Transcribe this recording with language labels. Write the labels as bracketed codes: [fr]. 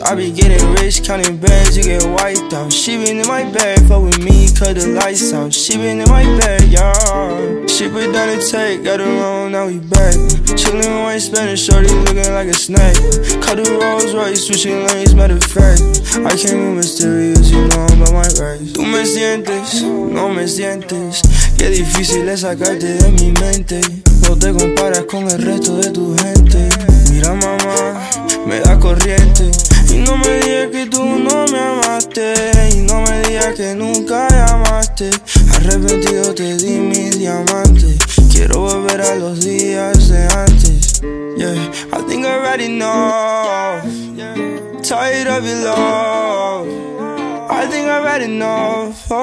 [en] I be getting rich, counting bands, you get wiped out. She been in my bag, fuck with me, cut the lights out. She been in my bag, yeah. She put down the tape, got her on, now we back. Chillin' with my Spanish shorty, looking like a snack. Cut the Rolls Royce, switching lanes, matter of fact. I came in mysterious, you know I'm about my rights. [es] Tú me sientes, no me sientes. Qué difícil es sacarte de mi mente. No te comparas con el resto de tu gente. Mira mamá, me da corriente. Y no me digas que tú no me amaste. Y no me digas que nunca llamaste. Arrepentido te di mi diamante. Quiero volver a los días de antes. [en] Yeah, I think I already know. Tired of your love. I think I already know.